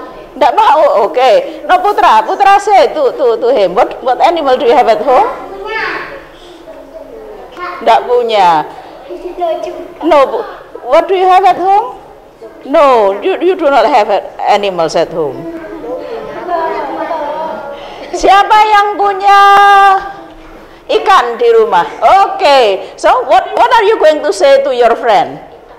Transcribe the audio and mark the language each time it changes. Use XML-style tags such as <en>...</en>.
<id>Tidak mau,</id> <en>okay. No Putra, Putra say to him. What animal do you have at home?</en> <id>Tidak punya.</id> <en>No, what do you have at home? No, you do not have animals at home.</en> <id>Siapa yang punya ikan di rumah?</id> <en>Okay, so what are you going to say to your friend?</en>